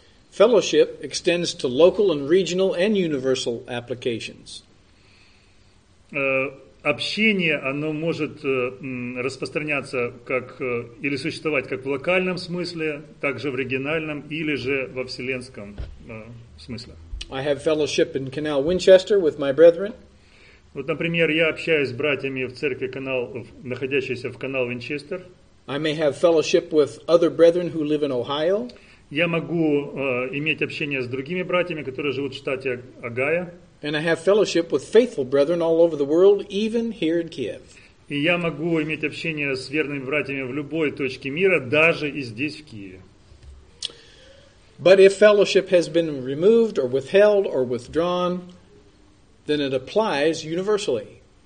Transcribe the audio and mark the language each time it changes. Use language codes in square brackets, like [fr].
[en] Fellowship extends to local and regional and universal applications. [ru] Общение, оно может распространяться как или существовать как в локальном смысле, так же в региональном или же во вселенском смысле. [en] I have fellowship in Canal Winchester with my brethren. [ru] Вот, например, я общаюсь с братьями в церкви, находящейся в канал Винчестер. [en] I may have fellowship with other brethren who live in Ohio. [ru] Я могу иметь общение с другими братьями, которые живут в штате Огайо. [en] And I have fellowship with faithful brethren all over the world, even here in Kiev. [ru] И я могу иметь общение с верными братьями в любой точке мира, даже и здесь, в Киеве. [en] But if fellowship has been removed or withheld or withdrawn, then it applies universally.